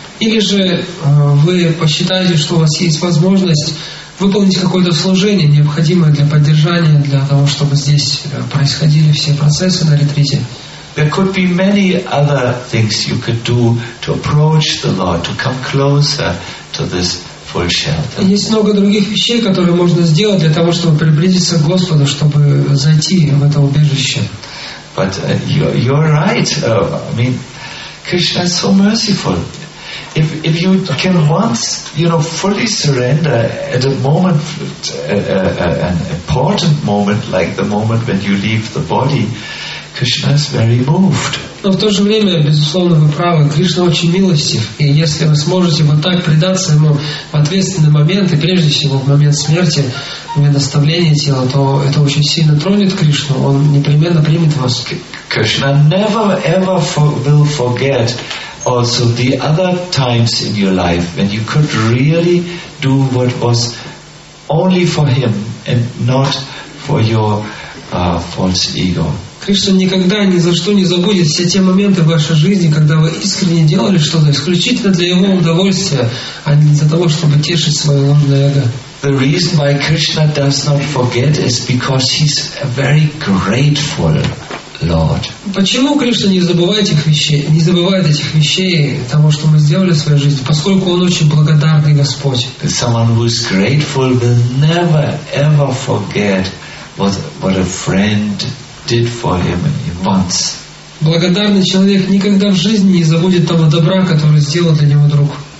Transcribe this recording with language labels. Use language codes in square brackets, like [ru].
[ru] Или же вы посчитаете, что у вас есть возможность выполнить какое-то служение, необходимое для поддержания, для того, чтобы здесь происходили все процессы на ретрите. [en] There could be many other things you could do to approach the Lord, to come closer to this. [ru] Есть много других вещей, которые можно сделать для того, чтобы приблизиться к Господу, чтобы зайти в это убежище. [en] But you're right. I mean, Krishna is so merciful. If you can once, fully surrender at a moment, an important moment like the moment when you leave the body, Krishna is very moved. [ru] Но в то же время, безусловно, вы правы, Кришна очень милостив. И если вы сможете вот так предаться Ему в ответственный момент, и прежде всего в момент смерти, в момент оставления тела, то это очень сильно тронет Кришну. Он непременно примет вас. [en] Krishna never ever will forget also the other times in your life when you could really do what was only for Him and not for your false ego. [ru] Кришна никогда ни за что не забудет все те моменты в вашей жизни, когда вы искренне делали что-то исключительно для Его удовольствия, а не для того, чтобы тешить свое ложное эго. [en] The reason why Krishna does not forget is because He's a very grateful Lord. [ru] Почему Кришна не забывает этих вещей, того, что мы сделали в своей жизни? Поскольку Он очень благодарный Господь. [en] Someone who is grateful will never ever forget what a friend did for him once. [ru] Благодарный человек никогда в жизни не забудет того добра, который сделал для него друг.